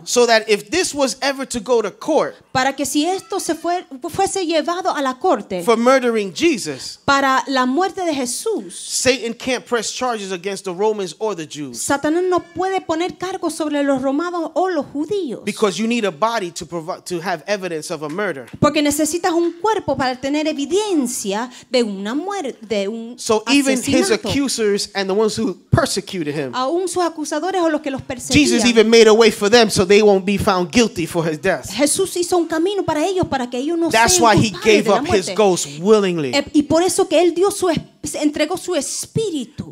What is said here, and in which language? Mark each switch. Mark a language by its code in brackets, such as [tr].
[en] So that if this was ever to go to court, [es] para que si esto se fuese llevado a la corte, [en] for murdering Jesus, [es] para la muerte de Jesús, [en] Satan can't press charges against the Romans or the Jews. [es] Satanás no puede poner cargos sobre los romanos o los judíos. [en] Because you need a body to provide, to have evidence of a murder. [es] Porque necesitas un cuerpo para tener evidencia de una muerte, de un [en] so [es] asesinato. [en] Even his accusers and the ones who persecuted him, [es] aún sus acusadores o los que los perseguían, [en] Jesus even made a way for them so they won't be found guilty for his death. [es] Jesús hizo un camino para ellos para que ellos no sean. [en] That's why he gave up his ghost willingly. [es] Y por eso que él dio su entregó su espíritu.